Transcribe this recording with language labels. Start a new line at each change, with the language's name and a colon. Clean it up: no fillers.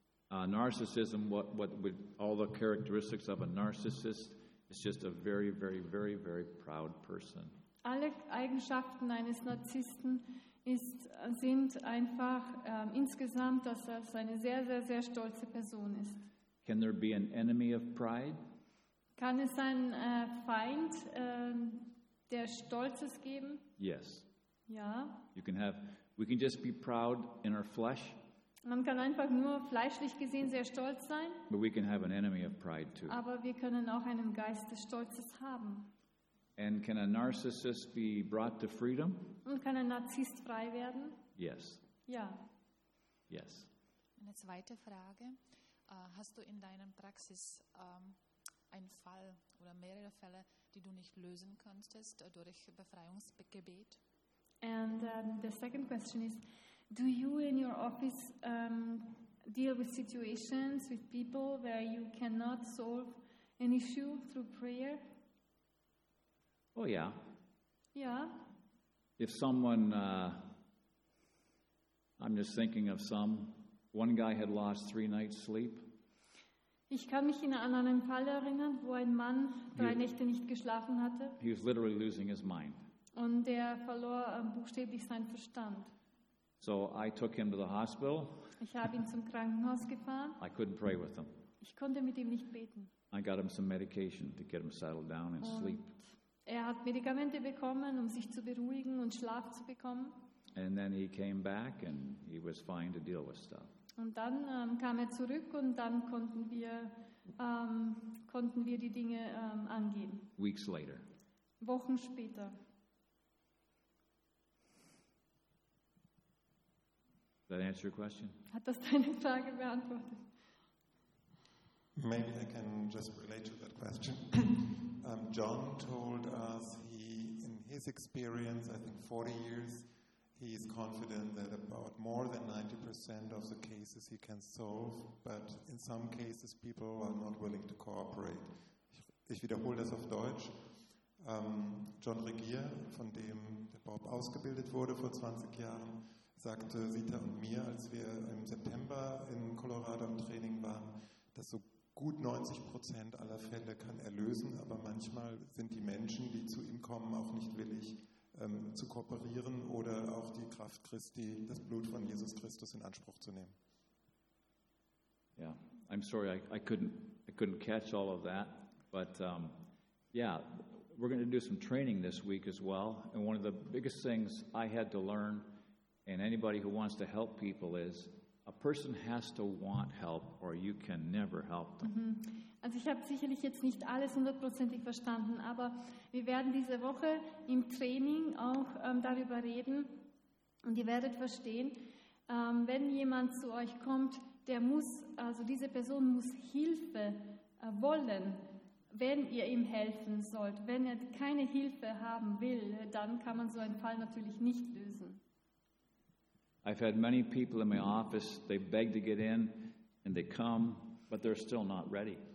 English: Narcissism, what with all the characteristics of a narcissist, is just a very, very, very, very proud person.
German: Alle Eigenschaften eines Narzissten sind einfach insgesamt, dass er eine sehr, sehr, sehr stolze Person ist.
English: Can there be an enemy of pride?
German: Kann es einen Feind der Stolzes geben?
English: Yes.
German: Ja.
English: We can just be proud in our flesh.
German: Man kann einfach nur fleischlich gesehen sehr stolz sein.
English: But we can have an enemy of pride too.
German: Aber wir können auch einen Geist des Stolzes haben.
English: And can a narcissist be brought to freedom?
German: Und kann ein Narzisst frei werden?
English: Yes.
German: Ja.
English: Yes.
German: Eine zweite Frage. Hast du in deiner Praxis einen Fall oder mehrere Fälle, die du nicht lösen könntest durch Befreiungsgebet?
English: And the second question is, do you in your office deal with situations with people where you cannot solve an issue through prayer? Oh yeah.
German: Ja.
English: If someone, I'm just thinking of some, one guy had lost 3 nights sleep.
German: Ich kann mich an einen Fall erinnern, wo ein Mann 3 Nächte nicht geschlafen hatte.
English: He was literally losing his mind.
German: Und er verlor buchstäblich seinen Verstand.
English: So I took him to the hospital.
German: Ich habe ihn zum Krankenhaus gefahren.
English: I couldn't pray with him.
German: Ich konnte mit ihm nicht beten.
English: I got him some medication to get him settled down and sleep.
German: Er hat Medikamente bekommen, um sich zu beruhigen und Schlaf zu bekommen.
English: And then he came back and he was fine to deal with stuff.
German: Und dann kam er zurück und dann konnten wir die Dinge angehen.
English: Weeks later.
German: Wochen später.
English: Does that answer your question?
German: Hat das deine Frage beantwortet?
English: Maybe I can just relate to that question. John told us he, in his experience, I think 40 years, he is confident that about more than 90% of the cases he can solve, but in some cases people are not willing to cooperate.
German: Ich wiederhole das auf Deutsch. John Regier, von dem der Bob ausgebildet wurde vor 20 Jahren, sagte Sita und mir, als wir im September in Colorado im Training waren, dass so gut 90% aller Fälle kann er lösen, aber manchmal sind die Menschen, die zu ihm kommen, auch nicht willig zu kooperieren oder auch die Kraft Christi, das Blut von Jesus Christus in Anspruch zu nehmen.
English: Yeah, I'm sorry, I couldn't catch all of that, but yeah, we're going to do some training this week as well, and one of the biggest things I had to learn, and anybody who wants to help people is, a person has to want help or you can never help them. Mm-hmm.
German: Also ich habe sicherlich jetzt nicht alles hundertprozentig verstanden, aber wir werden diese Woche im Training auch darüber reden und ihr werdet verstehen, wenn jemand zu euch kommt, der muss, also diese Person muss Hilfe wollen, wenn ihr ihm helfen sollt. Wenn er keine Hilfe haben will, dann kann man so einen Fall natürlich nicht lösen.
English: I've had many people in my office, they beg to get in and they come, but they're still not ready.